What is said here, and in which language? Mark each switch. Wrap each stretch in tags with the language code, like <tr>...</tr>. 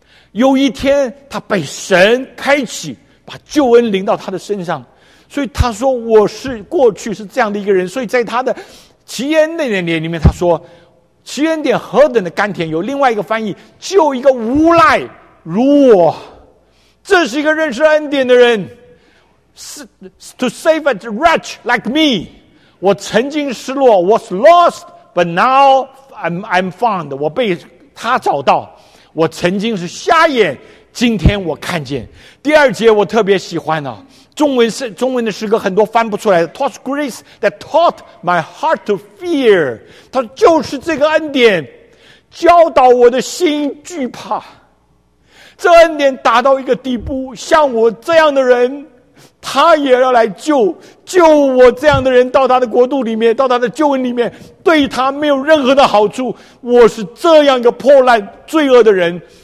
<zh>有一天他被神开启把救恩临到他的身上所以他说我是过去是这样的一个人所以在他的奇恩的那年里面他说奇恩点何等的甘甜有另外一个翻译救一个无赖如我这是一个认识恩典的人</zh> <en>To save a wretch like me,</en> <zh>我曾经失落</zh> <en>was lost, but now I'm found.</en> <zh>我被他找到。我曾经是瞎眼，今天我看见。第二节我特别喜欢啊，中文的诗歌很多翻不出来。</zh> <en>Taught grace that taught my heart to fear.</en> <zh>他就是这个恩典，教导我的心惧怕。这恩典达到一个地步，像我这样的人。他也要来救我这样的人到他的国度里面到他的救恩里面对他没有任何的好处我是这样一个破烂罪恶的人</zh>